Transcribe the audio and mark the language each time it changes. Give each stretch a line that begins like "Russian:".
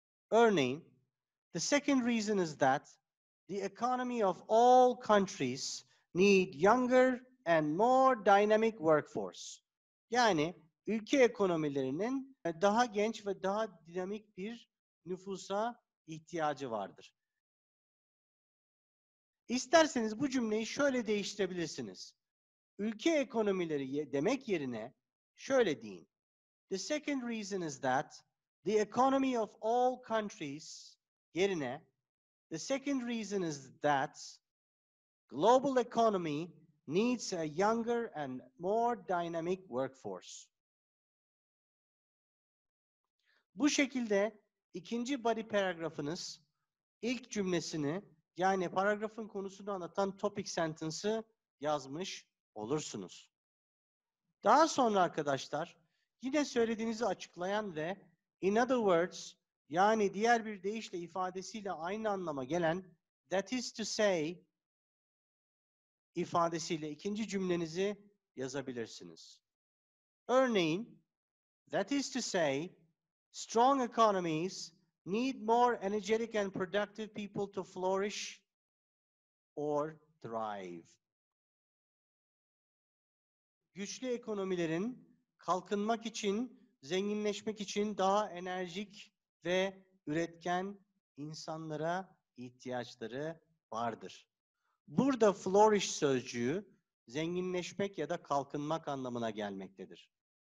Turkish: Örneğin,
English: the second reason is that the economy of all countries need younger and more dynamic workforce.
Turkish: Yani ülke ekonomilerinin daha genç ve daha dinamik bir nüfusa ihtiyacı vardır. İsterseniz bu cümleyi şöyle değiştirebilirsiniz. Ülke ekonomileri demek yerine şöyle deyin.
English: The second reason is that the economy of all countries
Turkish: yerine
English: the second reason is that global economy needs a younger and more dynamic workforce.
Turkish: Bu şekilde ikinci body paragraph'ınız ilk cümlesini yani paragrafın konusunu anlatan topic sentence'ı yazmış olursunuz. Daha sonra arkadaşlar yine söylediğinizi açıklayan ve
English: in other words
Turkish: yani diğer bir deyişle ifadesiyle aynı anlama gelen
English: that is to say
Turkish: ifadesiyle ikinci cümlenizi yazabilirsiniz. Örneğin
English: that is to say strong economies need more energetic and productive people to flourish or thrive.
Turkish: Güçlü ekonomilerin kalkınmak için, zenginleşmek için daha enerjik ve üretken insanlara ihtiyaçları vardır. Burada flourish sözcüğü zenginleşmek ya da kalkınmak anlamına gelmektedir.